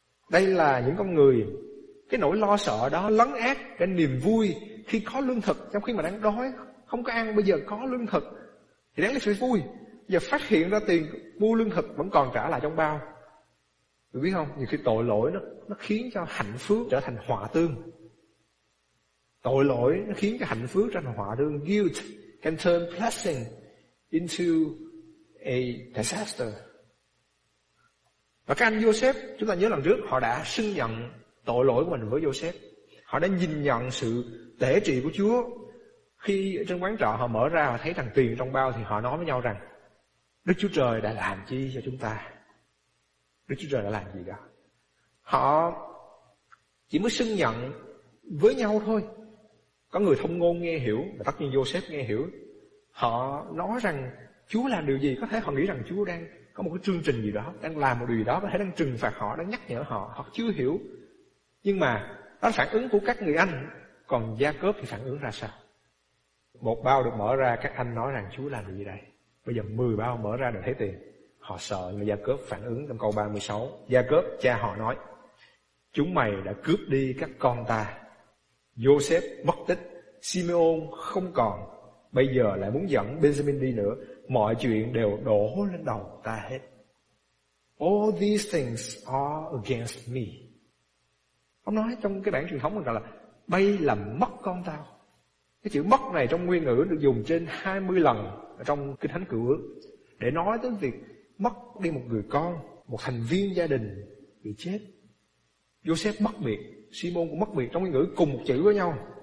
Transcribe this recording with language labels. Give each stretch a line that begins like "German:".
Vietnamese: Đây là những con người, cái nỗi lo sợ đó lấn át cái niềm vui khi có lương thực, trong khi mà đang đói, không có ăn, bây giờ có lương thực thì đáng là sự vui. Giờ phát hiện ra tiền mua lương thực vẫn còn trả lại trong bao. Tôi biết không, nhiều khi tội lỗi nó khiến cho hạnh phúc trở thành họa tương. Tội lỗi nó khiến cho hạnh phúc trở thành họa tương.
English: Guilt can turn blessing into a disaster.
Vietnamese: Và các anh Joseph, chúng ta nhớ lần trước, họ đã xưng nhận tội lỗi của mình với Joseph. Họ đã nhìn nhận sự tể trị của Chúa. Khi ở trên quán trọ họ mở ra, họ thấy thằng tiền trong bao, thì họ nói với nhau rằng, Đức Chúa Trời đã làm chi cho chúng ta? Đức Chúa Trời đã làm gì cả? Họ chỉ mới xưng nhận với nhau thôi. Có người thông ngôn nghe hiểu, và tất nhiên Joseph nghe hiểu. Họ nói rằng Chúa làm điều gì? Có thể họ nghĩ rằng Chúa đang có một cái chương trình gì đó, đang làm một điều gì đó, có thể đang trừng phạt họ, đang nhắc nhở họ, hoặc chưa hiểu. Nhưng mà đó là phản ứng của các người anh. Còn Gia-cốp thì phản ứng ra sao? Một bao được mở ra, các anh nói rằng Chúa làm gì đây? Bây giờ 10 bao mở ra đều thấy tiền. Họ sợ người Gia-cốp phản ứng trong câu 36. Gia-cốp cha họ nói, chúng mày đã cướp đi các con ta. Joseph mất tích, Simeon không còn, bây giờ lại muốn dẫn Benjamin đi nữa. Mọi chuyện đều đổ lên đầu ta hết.
English: All these things are against me.
Vietnamese: Ông nói trong cái bản truyền thống là bay là mất con tao. Cái chữ mất này trong nguyên ngữ được dùng trên 20 lần trong Kinh Thánh Cựu Ước để nói tới việc mất đi một người con, một thành viên gia đình bị chết. Joseph mất biệt, Simon cũng mất biệt, trong nguyên ngữ cùng một chữ với nhau.